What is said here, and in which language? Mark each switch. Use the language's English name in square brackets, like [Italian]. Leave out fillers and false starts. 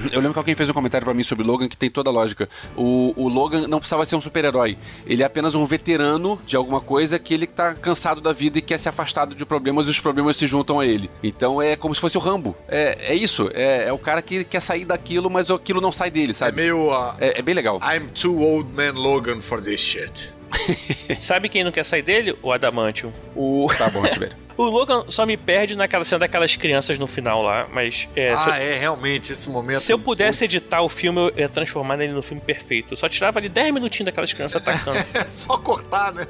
[Portuguese] Eu lembro que alguém fez um comentário pra mim sobre Logan que tem toda a lógica. O Logan não precisava ser um super-herói. Ele é apenas um veterano de alguma coisa que ele tá cansado da vida e quer se afastado de problemas e os problemas se juntam a ele. Então é como se fosse o Rambo. É isso. É o cara que quer sair daquilo, mas aquilo não sai dele, sabe? É meio. É bem legal. [English] I'm too old man Logan for this shit. [Portuguese] Sabe quem não quer sair dele? O Adamantium. Tá bom, velho. O Logan só me perde naquela cena daquelas crianças no final lá, mas... Realmente, esse momento... Se eu pudesse editar o filme, eu ia transformar ele no filme perfeito. Eu só tirava ali 10 minutinhos daquelas crianças atacando. Só cortar, né?